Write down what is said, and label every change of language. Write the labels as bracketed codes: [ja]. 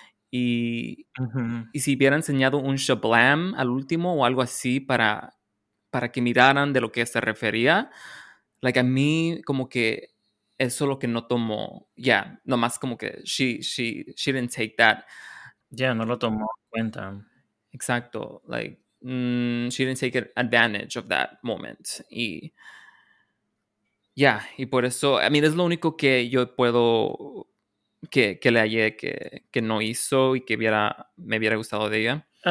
[es] Y, uh-huh. y si hubiera enseñado un Shablam al último o algo así para que miraran de lo que se refería, like, a mí como que eso lo que no tomó, yeah, nomás como que [en] she didn't take that. [es] Yeah, no lo tomó en cuenta. [en] Exacto, like, she didn't take advantage of that moment. [es] Y yeah, y por eso, [en] I mean, [es] es lo único que yo puedo... Que le hallé que no hizo y que me hubiera gustado de ella.